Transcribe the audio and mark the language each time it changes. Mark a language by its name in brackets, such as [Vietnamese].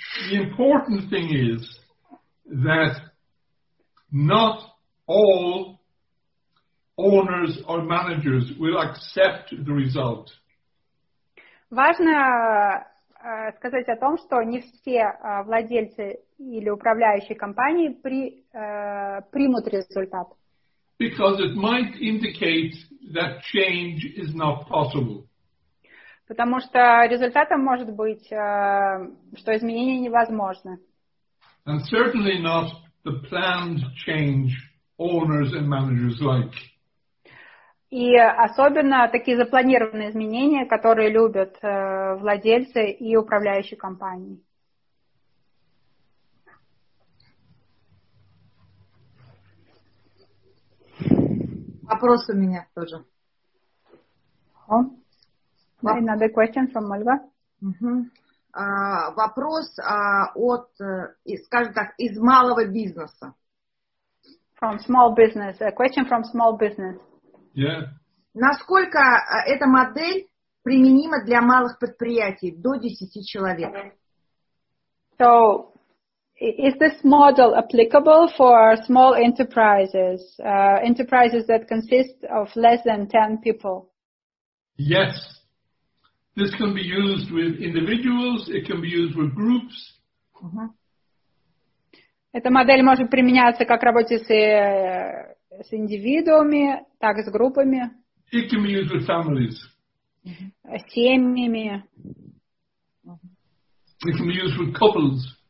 [English] The important thing is that not all owners or managers will accept the result. [Russian] Важно сказать о том, что не все владельцы или управляющие компании примут результат. [English] Because it might indicate that change is not possible. [Russian] Потому что результатом может быть, что изменения невозможны. [English] And certainly not the planned change owners and managers like. [Russian] И особенно такие запланированные изменения, которые любят владельцы и управляющие компании. Вопрос у меня тоже. [English] Another question from Olga. [Russian] Вопрос от, скажем так, из малого бизнеса. [English] From small business. A question from small business. Yeah. [Russian] Насколько эта модель применима для малых предприятий до 10 человек? [English] So, is this model applicable for small enterprises, enterprises that consist of less than 10 people? Yes. This can be used with individuals, it can be used with groups. [Russian] Эта модель может применяться как работе с индивидуумами, так и с группами. [English] It can be used with families. [Russian] Семьями. [English] It can be used with couples.